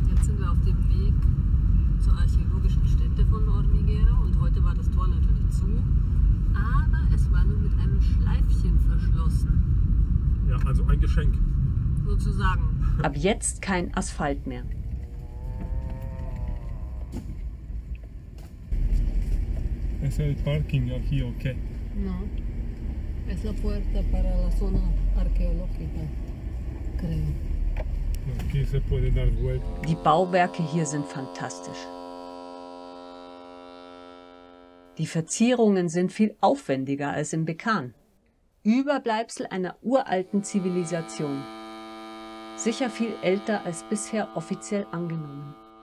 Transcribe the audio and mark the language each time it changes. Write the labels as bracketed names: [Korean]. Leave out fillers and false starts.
[German] Jetzt sind wir auf dem Weg zur archäologischen Stätte von Hormiguero und heute war das Tor natürlich zu, aber es war nur mit einem Schleifchen verschlossen. Ja, also ein Geschenk. Sozusagen. Ab jetzt kein Asphalt mehr. Es ist ein Parking hier, okay? Nein. Es ist die [Spanish] Puerta para la zona arqueológica, creo. Aquí se puede dar vuelta. [German] Die Bauwerke hier sind fantastisch. Die Verzierungen sind viel aufwendiger als im Bekan. Überbleibsel einer uralten Zivilisation. Sicher viel älter als bisher offiziell angenommen.